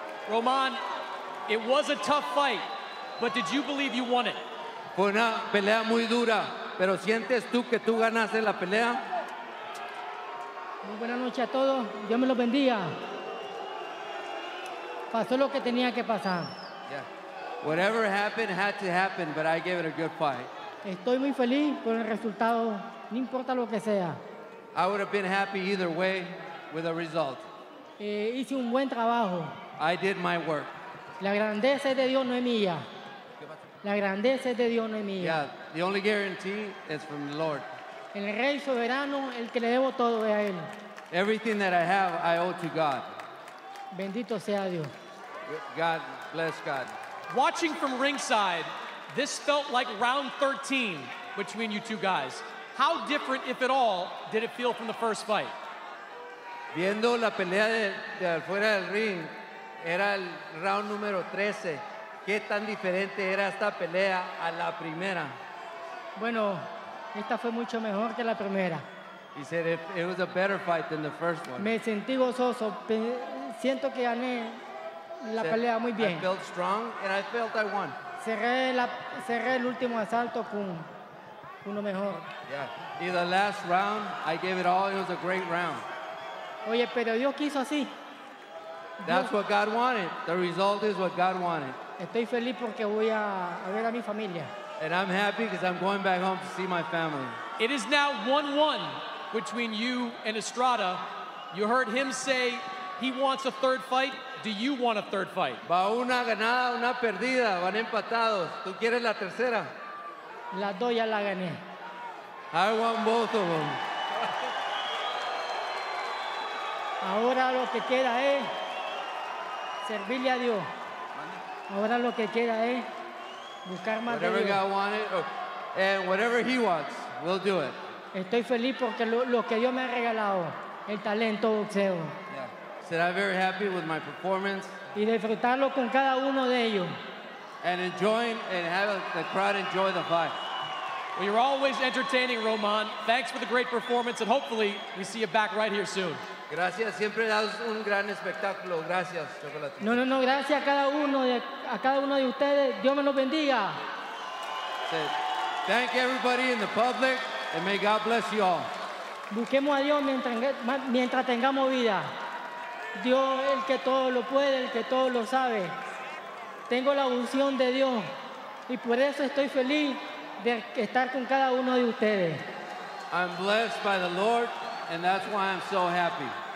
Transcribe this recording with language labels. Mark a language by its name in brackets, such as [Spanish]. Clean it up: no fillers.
[English] Roman, it was a tough fight, but did you believe you won it? [Spanish] Fue una pelea muy dura, pero ¿sientes tú que tú ganaste la pelea? Muy buenas noches a todos. Dios me los bendiga. Pasó lo que tenía que pasar. [English] Yeah. Whatever happened had to happen, but I gave it a good fight. [Spanish] Estoy muy feliz con el resultado, no importa lo que sea. [English] I would have been happy either way with the result. [Spanish] Hice un buen trabajo. [English] I did my work. [Spanish] La grandeza es de Dios, no es mía. La grandeza es de Dios, no es mía. [English] Yeah, the only guarantee is from the Lord. [Spanish] El Rey Soberano, el que le debo todo es a Él. [English] Everything that I have, I owe to God. [Spanish] Bendito sea Dios. [English] God bless God. Watching from ringside, this felt like round 13 between you two guys. How different, if at all, did it feel from the first fight? [Spanish] Viendo la pelea de afuera del ring, era el round número 13. ¿Qué tan diferente era esta pelea a la primera? Bueno, esta fue mucho mejor que la primera. [English] He said it was a better fight than the first one. [Spanish] Me sentí gozoso. Siento que gané la pelea muy bien. [English] I felt strong and I felt I won. [Spanish] Cerré el último asalto con uno mejor. [English] Yeah. In the last round, I gave it all. It was a great round. [Spanish] Oye, pero Dios quiso así. [English] That's what God wanted. The result is what God wanted. [Spanish] Estoy feliz porque voy a ver a mi familia. [English] And I'm happy because I'm going back home to see my family. It is now 1-1 between you and Estrada. You heard him say he wants a third fight. Do you want a third fight? [Spanish] Va una ganada, una perdida. Van empatados. ¿Tú quieres la tercera? La dos ya la gané. [English] I want both of them. [Spanish] Ahora lo que queda es servirle a Dios. Ahora lo que queda es buscar más [English] whatever [Spanish] de Dios. [English] God wanted, and whatever he wants, we'll do it. [Spanish] Estoy feliz porque lo que Dios me ha regalado, el talento boxeo. [English] Said I'm very happy with my performance. [Spanish] Y disfrutarlo con cada uno de ellos. [English] And enjoying and have the crowd enjoy the fight. Well, you're always entertaining, Roman. Thanks for the great performance, and hopefully we see you back right here soon. [Spanish] Gracias, siempre das un gran espectáculo. Gracias, Chocolate. No, gracias a cada uno de ustedes. Dios me los bendiga. [English] Thank everybody in the public, and may God bless you all. [Spanish] Busquemos a Dios mientras tengamos vida. Dios, el que todo lo puede, el que todo lo sabe. Tengo la unción de Dios, y por eso estoy feliz de estar con cada uno de ustedes. [English] I'm blessed by the Lord, and that's why I'm so happy.